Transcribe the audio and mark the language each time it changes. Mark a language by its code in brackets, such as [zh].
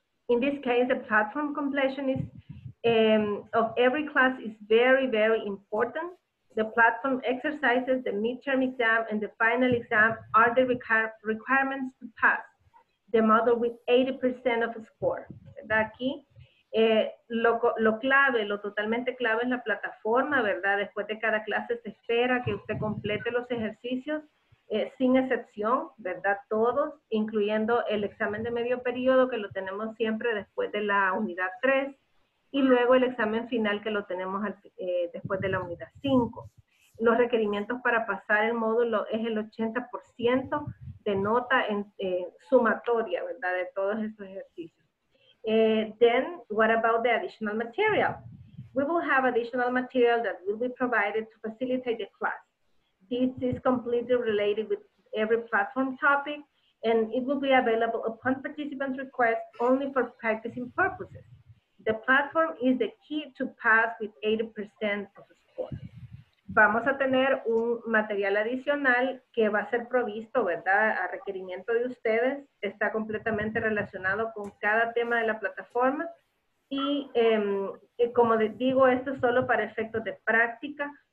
[en] In this case, the platform completion is, of every class is very, very important. The platform exercises, the midterm exam, and the final exam are the requirements to pass the model with 80% of a score. [es] ¿Verdad? Aquí, lo clave, lo totalmente clave es la plataforma, ¿verdad? Después de cada clase se espera que usted complete los ejercicios sin excepción, ¿verdad? Todos, incluyendo el examen de medio periodo que lo tenemos siempre después de la unidad 3. Y luego el examen final que lo tenemos después de la unidad 5. Los requerimientos para pasar el módulo es el 80% de nota en sumatoria, ¿verdad? De todos estos ejercicios. [en] Then, what about the additional material? We will have additional material that will be provided to facilitate the class. This is completely related with every platform topic, and it will be available upon participant's request only for practicing purposes. The platform is the key to pass with 80% of the score. [es] Vamos a tener un material adicional que va a ser provisto, ¿verdad? A requerimiento de ustedes. Está completamente relacionado con cada tema de la plataforma. Y como digo, esto es solo para efectos de práctica.